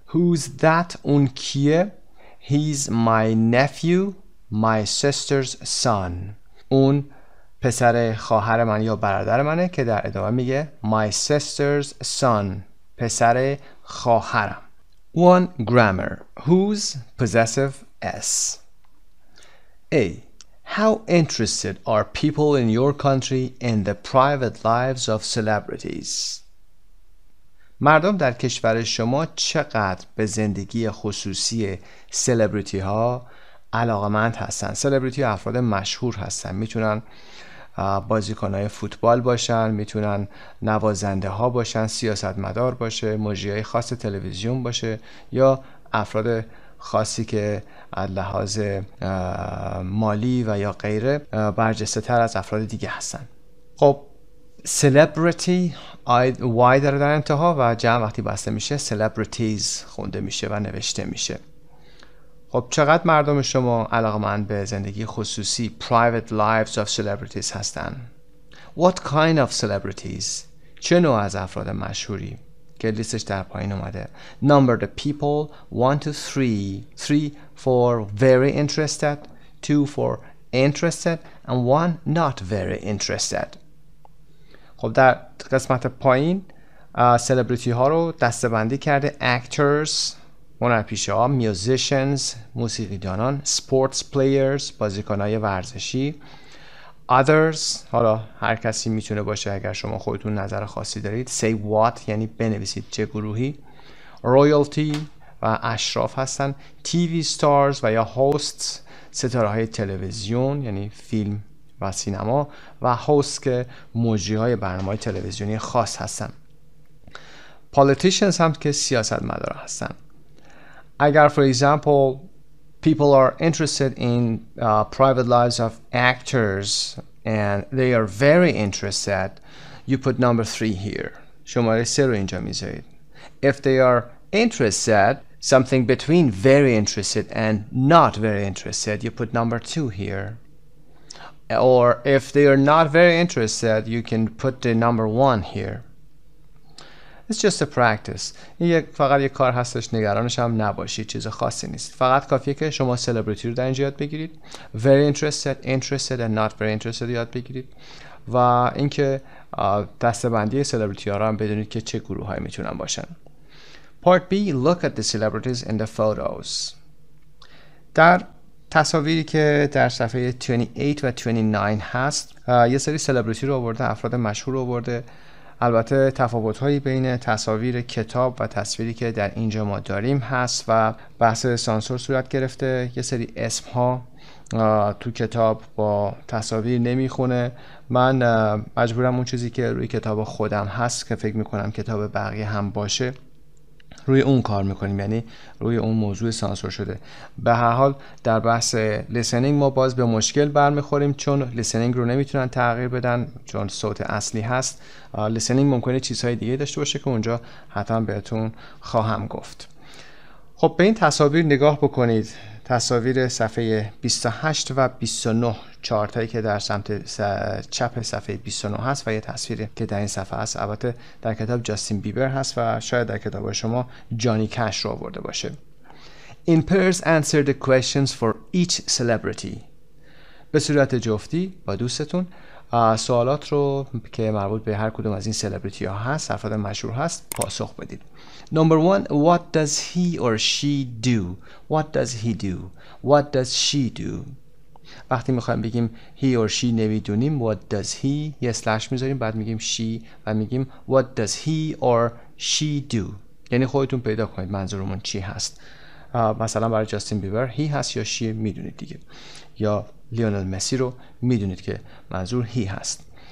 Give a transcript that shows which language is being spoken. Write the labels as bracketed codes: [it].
[en] Who's that [fa] اون کیه؟ [en] He's my nephew, my sister's son. [fa] اون پسر خواهر من یا برادر منه که در ادامه میگه [en] My sister's son، [fa] پسر خواهرم. [en] One grammar. Who's possessive S? A. How interested are people in your country in the private lives of celebrities? [fa] مردم در کشور شما چقدر به زندگی خصوصی سلبریتی ها علاقمند هستن؟ سلبریتی ها افراد مشهور هستن، میتونن بازیکن های فوتبال باشن، میتونن نوازنده ها باشن، سیاستمدار باشه، مجری های خاص تلویزیون باشه یا افراد خاصی که از لحاظ مالی و یا غیره برجسته تر از افراد دیگه هستن. خب سلبریتی وای داره در انتها و جمع وقتی بسته میشه سلبریتیز خونده میشه و نوشته میشه. خب چقدر مردم شما علاقمند به زندگی خصوصی [en] private lives of celebrities [fa] هستن؟ [en] What kind of celebrities؟ [fa] چه نوع از افراد مشهوری؟ که لیستش در پایین اومده. [en] Number the people 1-3 for very interested, 2 for interested and 1 not very interested. [fa] خب در قسمت پایین سلبریتی ها رو دستبندی کرده: actors هنرپیشه ها، musicians موسیقی دانان، sports players بازیکنهای ورزشی، others حالا هر کسی میتونه باشه اگر شما خودتون نظر خاصی دارید، say what یعنی بنویسید چه گروهی، royalty و اشراف هستن، tv stars و یا hosts ستاره های تلویزیون یعنی فیلم و سینما و هاست که مجری های برنامه تلویزیونی خاص هستن، politicians هم که سیاست مدار هستن. [en] اگر for example people are interested in private lives of actors and they are very interested you put number 3 here، [fa] شماره 3 رو اینجا میذارید. [en] If they are interested something between very interested and not very interested you put number 2 here، or if they are not very interested you can put the number 1 here. It's just a practice. [fa] فقط یک کار هستش، نگرانش هم نباشید، چیز خاصی نیست. فقط کافیه که شما سلبریتی رو در اینجا یاد بگیرید، [en] very interested, interested and not very interested [fa] یاد بگیرید و اینکه دسته‌بندی سلبریتی ها رو هم بدونید که چه گروه های میتونن باشن. [en] Part B, look at the celebrities in the photos. [fa] در تصاویری که در صفحه 28 و 29 هست یه سری سلبریتی رو آورده، افراد مشهور رو آورده. البته تفاوت‌هایی بین تصاویر کتاب و تصویری که در اینجا ما داریم هست و بحث سانسور صورت گرفته. یه سری اسم‌ها تو کتاب با تصاویر نمی‌خونه. من مجبورم اون چیزی که روی کتاب خودم هست که فکر می‌کنم کتاب بقیه هم باشه روی اون کار میکنیم، یعنی روی اون موضوع سانسور شده. به هر حال در بحث لیسنینگ ما باز به مشکل برمیخوریم چون لیسنینگ رو نمیتونن تغییر بدن چون صوت اصلی هست. لیسنینگ ممکنه چیزهای دیگه داشته باشه که اونجا حتما بهتون خواهم گفت. خب به این تصاویر نگاه بکنید، تصاویر صفحه 28 و 29، چارتایی که در سمت چپ صفحه 29 هست و یه تصویری که در این صفحه هست. البته در کتاب جاستین بیبر هست و شاید در کتاب شما جانی کش رو آورده باشه. [en] In pairs, answer the questions for each celebrity. [fa] به صورت جفتی با دوستتون سوالات رو که مربوط به هر کدوم از این سلبریتی ها هست، افراد مشهور هست، پاسخ بدید. [en] Number one, what does he or she do? What does he do? What does she do? [fa] وقتی میخوایم بگیم he or she نمیدونیم، what does he؟ یه سلش میذاریم، بعد میگیم she و میگیم [en] what does he or she do؟ [fa] یعنی خودتون پیدا کنید منظورمون چی هست. مثلا برای جاستین بیبر he هست یا she میدونید دیگه، یا لیونل مسی رو میدونید که منظور he هست.